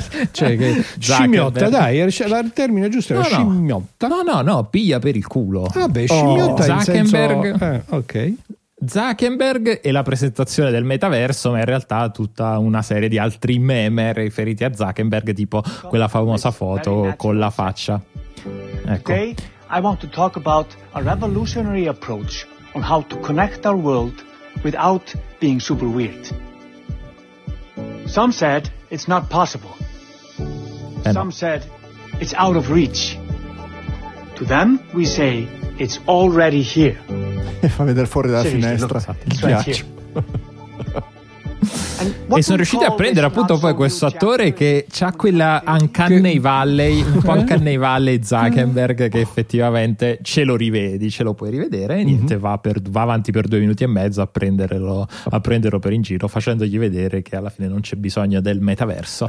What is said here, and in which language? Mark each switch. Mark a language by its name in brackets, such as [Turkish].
[Italian] cioè che scimmiotta, dai, il termine giusto è scimmiotta, no piglia per il culo, vabbè, scimmiotta, Zuckerberg, ok, Zuckerberg e la presentazione del metaverso, ma in realtà tutta una serie di altri meme riferiti a Zuckerberg, tipo quella famosa foto con la faccia. Ecco. [English] Today I want to talk about a revolutionary approach on how to connect our world without being super weird. Some said it's not possible. Some said it's out of reach. To them we say it's already here. [Italian] E fa vedere fuori dalla finestra. E sono riusciti a prendere appunto poi questo attore che c'ha quella Uncanny Valley, un po' Uncanny Valley Zuckerberg, che effettivamente ce lo rivedi, ce lo puoi rivedere, e niente, va avanti per 2 minuti e mezzo a prenderlo per in giro, facendogli vedere che alla fine non c'è bisogno del metaverso.